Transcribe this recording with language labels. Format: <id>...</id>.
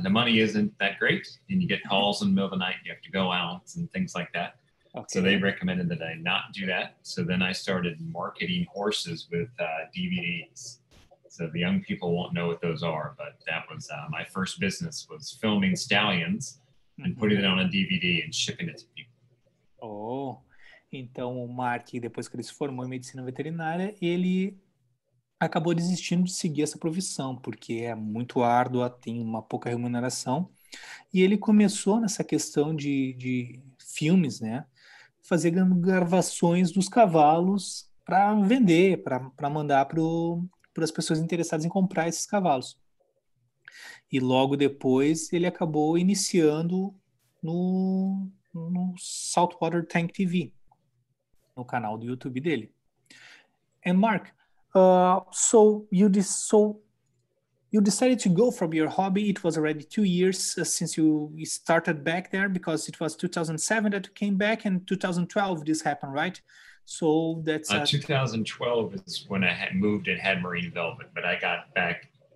<en>The money isn't that great, and you get calls in the middle of the night. You have to go out and things like that. Okay. So they recommended that I not do that. So then I started marketing horses with DVDs. So the young people won't know what those are, but that was my first business was filming stallions and putting it on a DVD and shipping it to people.</en> <pt>Oh, então o Mark, depois que ele se formou em medicina veterinária, ele acabou desistindo de seguir essa profissão, porque é muito árdua, tem uma pouca remuneração. E ele começou nessa questão de filmes, né? Fazer gravações dos cavalos para vender, para mandar para as pessoas interessadas em comprar esses cavalos. E logo depois ele acabou iniciando no Saltwater Tank TV, no canal do YouTube dele.</pt> <en>And Mark, so you decided to go from your hobby. It was already 2 years since you started back there, because it was 2007 that you came back, and 2012 this happened, right? So that's 2012 is when I had moved and had Marine Velvet, but I got back.</en>